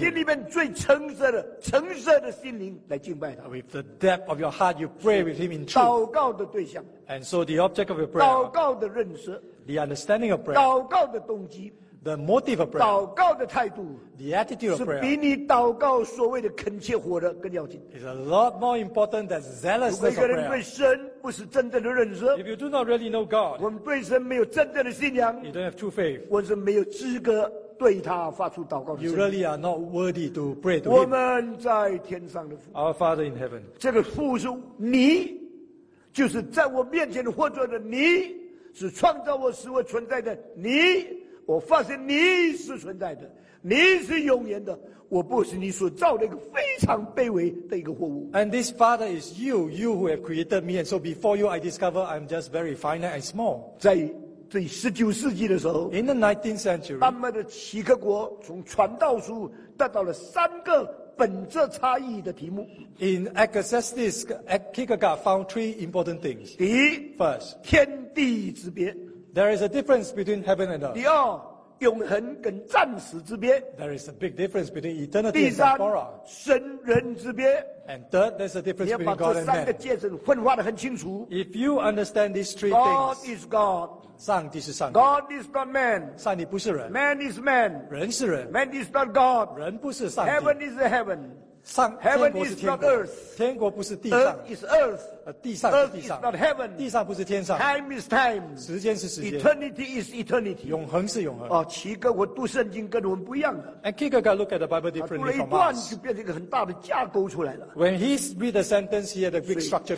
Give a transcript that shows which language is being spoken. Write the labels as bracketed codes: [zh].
[zh] 心里面最诚实的、诚实的心灵来敬拜他。 [en] With the depth of your heart, you pray with him in truth. [zh] 祷告的对象。 [en] And so the object of your prayer. [zh] 祷告的认识。 [en] The understanding of prayer. [zh] 祷告的动机。 [en] The motive of prayer, [zh] 祷告的态度 [en] the attitude of prayer, [zh] 是比你祷告所谓的恳切火热更要紧 [en] is a lot more important than zealousness of prayer. [zh] 如果一个人对神不是真正的认识 [en] if you do not really know God, [zh] 我们对神没有真正的信仰 [en] you don't have true faith, [zh] 我是没有资格对他发出祷告的 [en] you really are not worthy to pray to him. [zh] 我们在天上的父 [en] our Father in heaven, [zh] 这个父是你就是在我面前活着的你是创造我使我存在的你我发现你是存在的，你是永远的。我不是你所造的一个非常卑微的一个货物。 [en] And this Father is you, you who have created me. And so before you, I discover I'm just very finite and small. [zh] 在这十九世纪的时候 [en] ，In the 19th century， [zh] 丹麦的齐克果从传道书得到了三个本质差异的题目。 [en] In Ecclesiastes, Kierkegaard found three important things. [zh] 第一 [en] ，First， [zh] 天地之别。 [en] There is a difference between heaven and earth. [zh] 第二，永恒跟暂时之别。 [en] There is a big difference between eternity and temporal. [zh] 第三，神人之别。 [en] And third, there's a difference between God and man. [zh] 你要把这三个界限分化得很清楚。 [en] If you understand these three God things, God is God. [zh] 上帝是上帝。 [en] God is not man. [zh] 上帝不是人。 [en] Man is man. [zh] 人是人。 [en] Man is not God. [zh] 人不是上帝。 [en] Heaven is heaven. [zh] 上天国是天国。天国不是地上。 [en] Earth is earth. [zh] 地上是地上 [en] Earth is not heaven. [zh] 地上不是天上 [en] Time is time. [zh] 时间是时间 [en] Eternity is eternity. [zh] 永恒是永恒、哦、齐哥我读圣经跟我们不一样的 [en] And Kierkegaard looked at the Bible differently from us. [zh] 读了一段就变成一个很大的架构出来了 [en] When he read the sentence he had a big structure coming